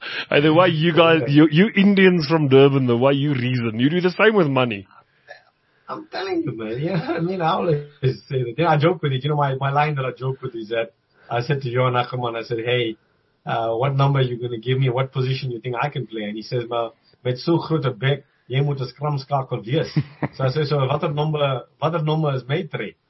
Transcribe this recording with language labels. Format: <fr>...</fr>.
<en>Hey, the way you guys, you Indians from Durban, the way you reason, you do the same with money. I'm telling you, man. Yeah, I mean, I always say that. Yeah, I joke with it. You know, my line that I joke with is that I said to Johan Ackerman, I said, hey, what number are you going to give me? What position you think I can play? And he says, well,</en> <af>met so groot a bek, jy moet 'n scrum skakel wees.</af> <en>So I said, so what number is my trade?</en>